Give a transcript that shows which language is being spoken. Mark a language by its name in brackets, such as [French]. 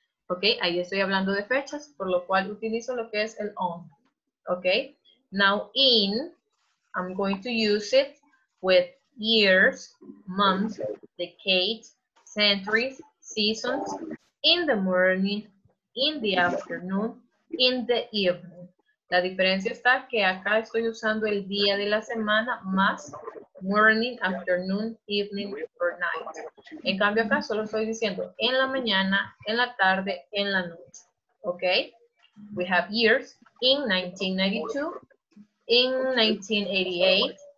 [Spanish] Ok, ahí estoy hablando de fechas, por lo cual utilizo lo que es el on. [English] Ok, now in, I'm going to use it with years, months, decades, centuries, seasons, in the morning, in the afternoon, in the evening. [Spanish] La diferencia está que acá estoy usando el día de la semana más [English] morning, afternoon, evening, or night. [Spanish] En cambio acá solo estoy diciendo en la mañana, en la tarde, en la noche. [English] Ok. We have years in 1992, in 1988.